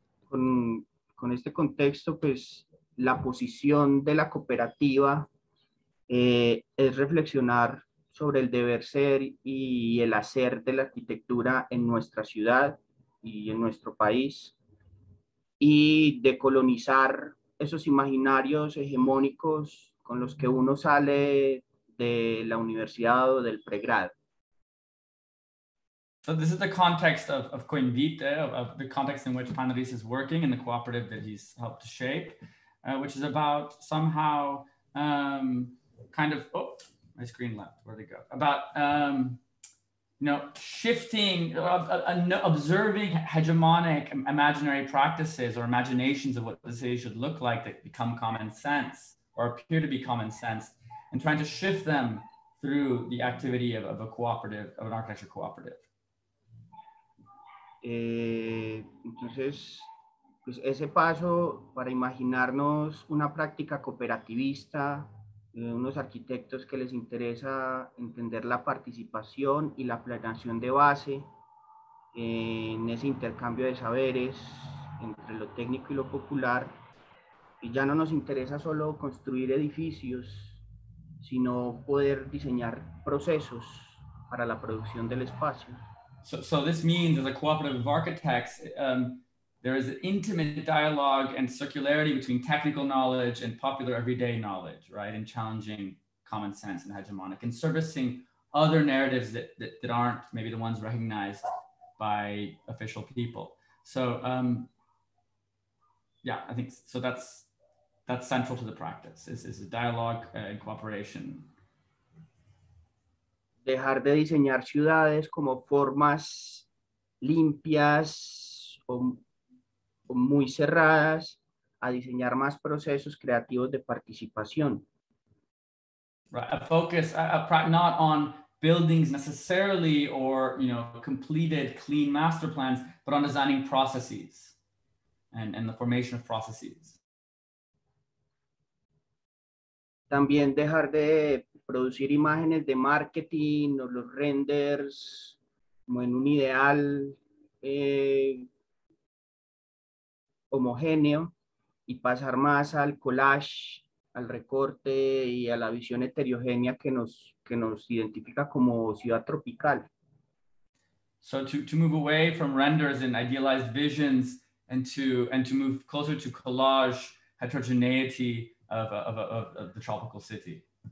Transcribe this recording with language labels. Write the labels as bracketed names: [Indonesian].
[Spanish] Con este contexto, pues la posición de la cooperativa es reflexionar sobre el deber ser y el hacer de la arquitectura en nuestra ciudad y en nuestro país, y decolonizar esos imaginarios hegemónicos con los que uno sale de la universidad o del pregrado. [English] So this is the context of Coinvite, of the context in which Panaris is working in the cooperative that he's helped to shape, which is about somehow my screen left, where'd it go? About shifting, observing hegemonic imaginary practices or imaginations of what the city should look like that become common sense or appear to be common sense, and trying to shift them through the activity of a cooperative, of an architecture cooperative. [Spanish] Entonces, pues ese paso para imaginarnos una práctica cooperativista, unos arquitectos que les interesa entender la participación y la planeación de base en ese intercambio de saberes entre lo técnico y lo popular, y ya no nos interesa solo construir edificios, sino poder diseñar procesos para la producción del espacio. [English] So this means, as a cooperative of architects, there is an intimate dialogue and circularity between technical knowledge and popular everyday knowledge, right? And challenging common sense and hegemonic and servicing other narratives that aren't maybe the ones recognized by official people. So, I think so. That's central to the practice, is a dialogue and cooperation. [Spanish] Dejar de diseñar ciudades como formas limpias o muy cerradas, a diseñar más procesos creativos de participación. [English] Right, a focus not on buildings necessarily or, you know, completed clean master plans, but on designing processes and the formation of processes. [Spanish] También dejar de producir imágenes de marketing o los renders como en un ideal homogéneo, y pasar más al collage, al recorte y a la visión heterogénea que nos identifica como ciudad tropical. [English] So to move away from renders and idealized visions and to move closer to collage heterogeneity of the tropical city.